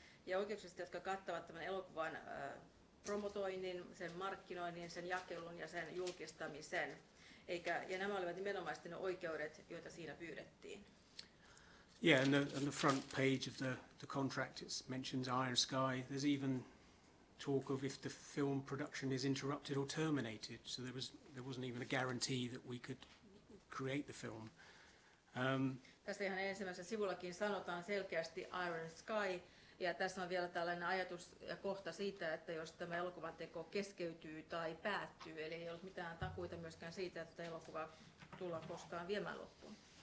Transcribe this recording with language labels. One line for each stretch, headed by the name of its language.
Finnish: Ja oikeuksista, jotka kattavat tämän elokuvan promotoinnin, sen markkinoinnin, sen jakelun ja sen julkistamisen. Ja nämä olivat nimenomaiset ne oikeudet, joita siinä pyydettiin.
English: Yeah, on the front page of the contract it mentions Iron Sky. There's even talk of if the film production is interrupted or terminated. So there wasn't even a guarantee that we could create the film.
Finnish: Tässä ihan ensimmäisessä sivullakin sanotaan selkeästi Iron Sky. Ja tässä on vielä tällainen ajatus ja kohta siitä, että jos tämä elokuvan teko keskeytyy tai päättyy, eli ei ole mitään takuita myöskään siitä, että elokuva tullaan koskaan viemään loppuun.